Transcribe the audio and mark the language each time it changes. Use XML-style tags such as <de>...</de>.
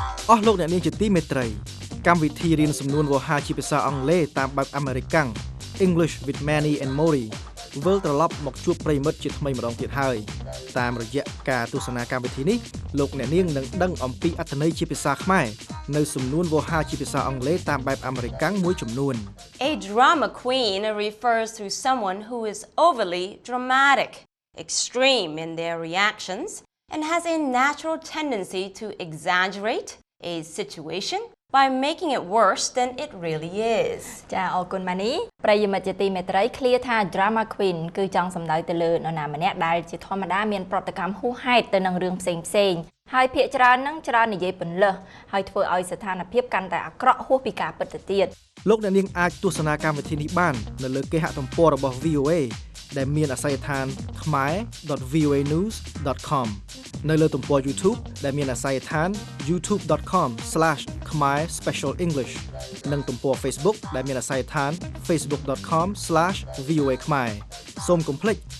<km>អស់លោកអ្នកនាងជាទីមេត្រីកម្មវិធីរៀនសំនួនវោហារជាភាសាអង់គ្លេសតាមបែបអាមេរិកាំង English with Manny and Mori វិលត្រឡប់មកជួបប្រិមិត្តជាថ្មីម្ដងទៀតហើយតាមរយៈការទស្សនាកម្មវិធីនេះលោកអ្នកនាងនឹងដឹងអំពីអត្ថន័យជាភាសាខ្មែរនៅសំនួនវោហារជាភាសាអង់គ្លេសតាមបែបអាមេរិកាំងមួយចំនួន</km> <en>A drama queen refers to someone who is overly dramatic, extreme in their reactions, and has a natural tendency to exaggerate a situation by making it worse than it really is.</en> <km>ចាអរគុណម៉ានីប្រិយមិត្តជាទីមេត្រីឃ្លាថា drama queen គឺចង់សម្ដៅទៅលើនរណាម្នាក់ដែលជាធម្មតាមានប្រតិកម្មហួសហេតុទៅនឹងរឿងផ្សេងផ្សេងហើយភាកច្រើននឹងច្រើននិយាយពន្លើសហើយធ្វើឲ្យស្ថានភាពកាន់តែអាក្រក់ហួសពីការពិតទៅទៀត លោកអ្នកនាងអាចទស្សនាកម្មវិធីនេះបាននៅលើគេហទំព័ររបស់ VOA ដែលមានអាសយដ្ឋាន khmae.voanews.com នៅលើទំព័រ YouTube ដែលមានអាសយដ្ឋាន youtube.com/khmaespecialenglish និងទំព័រ Facebook ដែលមានអាសយដ្ឋាន facebook.com/voakhmae សូមកុំភ្លេច</km>